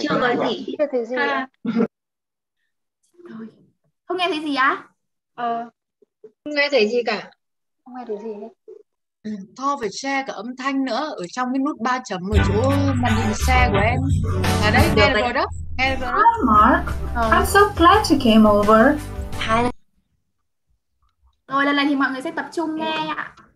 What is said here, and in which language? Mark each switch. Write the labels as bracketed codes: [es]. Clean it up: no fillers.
[vi] Chưa có gì. Chưa thấy gì. Không nghe thấy gì á? Không nghe thấy gì cả. Không nghe thấy gì hết. Tho phải share cả âm thanh nữa ở trong cái nút ba chấm ở chỗ màn hình share của em. Ở đây, nghe được rồi đó. Nghe được rồi. [en] Hi Mark, I'm so glad you came over. Hi. [vi] Rồi, lần này thì mọi người sẽ tập trung nghe ạ.